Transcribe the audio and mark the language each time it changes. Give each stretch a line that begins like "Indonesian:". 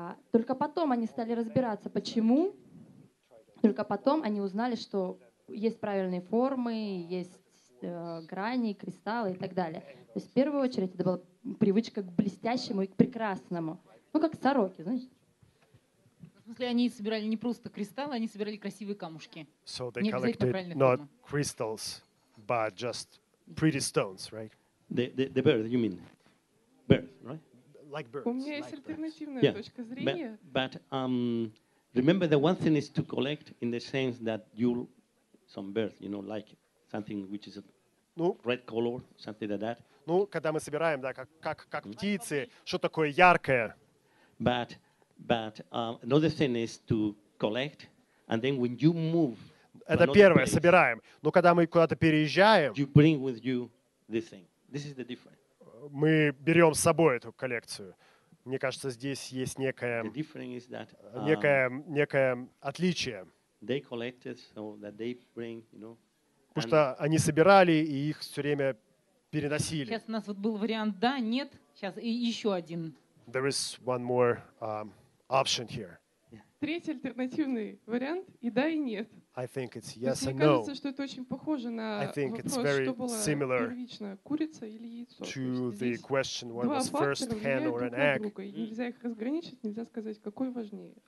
Russian: Только потом они стали разбираться, почему. Только потом они узнали, что есть правильные формы, есть грани, кристаллы и так далее. То есть в первую очередь это была привычка к блестящему и к прекрасному. Ну, как сороки, знаете. В смысле, они собирали не просто кристаллы, они собирали красивые камушки.
English: So they collected not crystals, but just pretty stones, right? The bird, you mean? Bird, right? Like birds.
Russian: У меня есть
English: like
Russian: альтернативная birds. Точка зрения. Yeah.
English: But remember the one thing is to collect in the sense that you some birds, you know, like something which is a red color, something like that.
Russian: Ну, когда мы собираем, да, как птицы, что такое яркое.
English: But another thing is to collect, and then when you move,
Russian: это первое, place, собираем. Но когда мы куда-то переезжаем,
English: you bring with you this thing. This is the difference.
Russian: Мы берем с собой эту коллекцию. Мне кажется, здесь есть некое
English: the difference is that,
Russian: некое отличие.
English: They collected so that they bring, you know.
Russian: Потому что они собирали и их все время переносили. Сейчас у нас вот был вариант да, нет. Сейчас и еще один.
English: There is one more. Option here.
Russian: Третий альтернативный вариант и да и нет.
English: I think it's yes and no.
Russian: Мне кажется, что это очень похоже на вопрос, что было первично, курица или яйцо.
English: To the question, what was first hen or an egg?
Russian: Нельзя их разграничить, нельзя сказать, какой важнее.